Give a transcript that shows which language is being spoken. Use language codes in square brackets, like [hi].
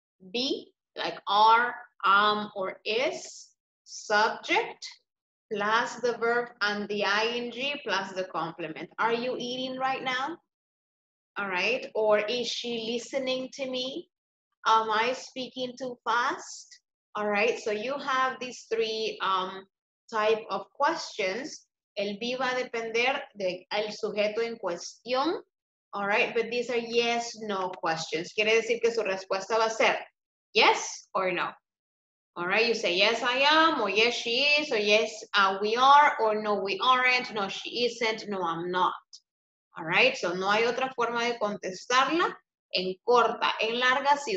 [en] Be, like are, am, or is, subject, plus the verb and the ing, plus the complement. Are you eating right now? All right. Or is she listening to me? Am I speaking too fast? All right. So you have these three type of questions. [es] El be va a depender del sujeto en cuestión. All right. [en] But these are yes, no questions. [es] Quiere decir que su respuesta va a ser [en] yes or no. All right, you say, yes, I am, or yes, she is, or yes, we are, or no, we aren't, no, she isn't, no, I'm not. [es] All right, so no hay otra forma de contestarla en corta, en larga, sí.